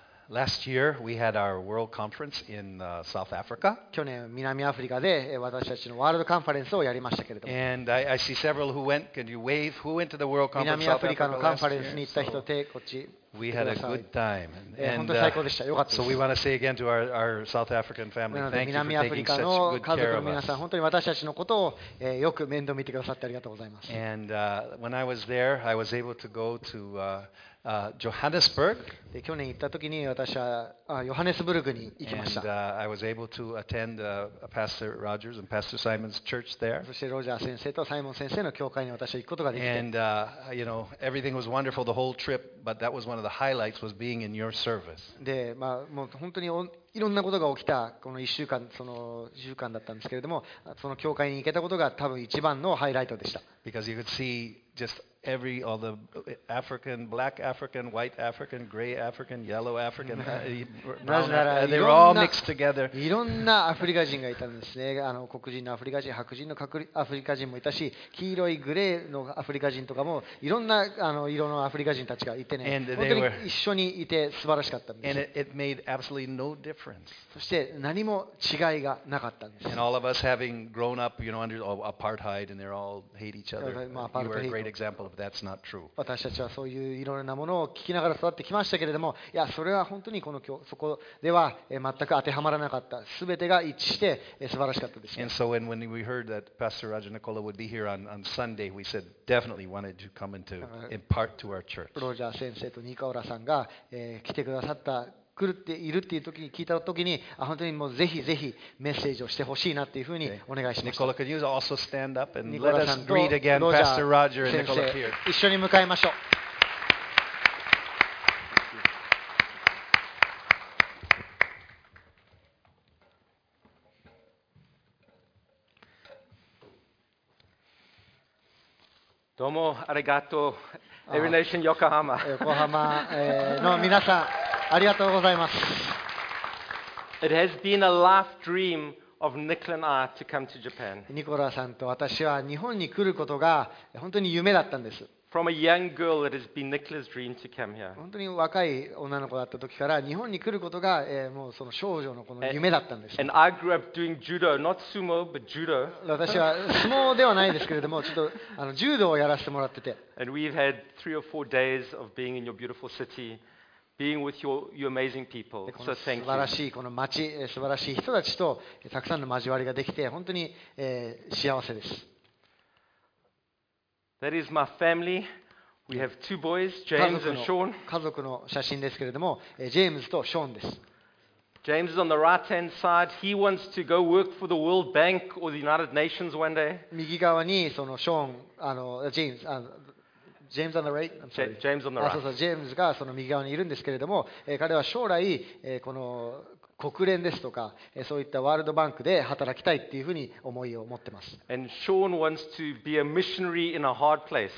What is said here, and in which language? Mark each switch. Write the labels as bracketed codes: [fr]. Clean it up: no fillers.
[en] Last year we had our world conference in South Africa. [ja] 去年南アフリカで私たちのワールドカンファレンスをやりましたけれども。 [en] And I see several who went. Can you wave? Who went to the world conference? [ja] 南アフリカのカンファレンスに行った人手こっち。 [en] We had a good time. [ja] 本当に最高でした。良かったです。 [en] So we want to say again to our South African family, thank you for taking such good care of us. [ja] 南アフリカの家族の皆さん、本当に私たちのことをよく面倒見てくださってありがとうございます。 [en] And when I was there, I was able to go to Johannesburg. [ja] 去年行った時に私はヨハネスブルクに行きました。 [en] And I was able to attend Pastor Rogers and Pastor Simon's church there. [ja] そしてロジャー先生とサイモン先生の教会に私は行くことができて。 [en] And you know, everything was wonderful the whole trip, but that was one of the highlights was being in your service. [ja] で、まあもう本当にいろんなことが起きたこの1週間、その1週間だったんですけれども、その教会に行けたことが多分一番のハイライトでした。 [en] Because you could see just every all the African, black African, white African, gray African, yellow African, brown African, they were all mixed together. [ja] いろんなアフリカ人がいたんですね。あの黒人のアフリカ人、白人のアフリカ人もいたし、黄色いグレーのアフリカ人とかもいろんなあの色のアフリカ人たちがいてね。本当に一緒にいて素晴らしかったんです。 [en] And it made absolutely no difference. [ja] そして何も違いがなかったんです。 [en] And all of us having grown up, you know, under apartheid, and they all hate each other. You were a great example. That's not true. [ja] 私たちはそういういろいろなものを聞きながら育ってきましたけれども、いやそれは本当にこの教そこでは全く当てはまらなかった。すべてが一致して素晴らしかったです。 [en] And so when we heard that Pastor Roger Nicola would be here on Sunday, we said definitely wanted to come and to impart to our church. [ja] ロジャー先生とニカオラさんが来てくださった、来るっているっていう時に聞いた時に、あ本当にもうぜひぜひメッセージをしてほしいなっていうふうにお願いしました。 [en] Nicola, can you also stand up and let us greet again Pastor Roger and Nicola here. [ja] 一緒に迎えましょう。どうもありがとう。Every Nation Yokohama。横浜の皆さん。ありがとうございます。 [en] It has been a life dream of Nicola and I to come to Japan. [ja] ニコラさんと私は日本に来ることが本当に夢だったんです。 [en] From a young girl, it has been Nicola's dream to come here. [ja] 本当に若い女の子だった時から日本に来ることがもうその少女のこの夢だったんです。 [en] And I grew up doing judo, not sumo, but judo. [ja] 私は相撲ではないですけれども、ちょっとあの柔道をやらせてもらってて。 [en] And we've had three or four days of being in your beautiful city. Being with your amazing people. So thank you. [ja] 素晴らしいこの町、素晴らしい人たちとたくさんの交わりができて本当に幸せです。 [en] That is my family. We have two boys, James and Sean. [ja] 家族の写真ですけれども、ジェームズとショーンです。 [en] James is on the right-hand side. He wants to go work for the World Bank or the United Nations one day. [ja] 右側にそのショーン、あのジェームズ、あの [en] James on the right? I'm sorry. James on the right. [ja] そうそう、ジェームズがその右側にいるんですけれども、彼は将来、この国連ですとか、そういったワールドバンクで働きたいっていうふうに思いを持ってます。 [en] And Sean wants to be a missionary in a hard place.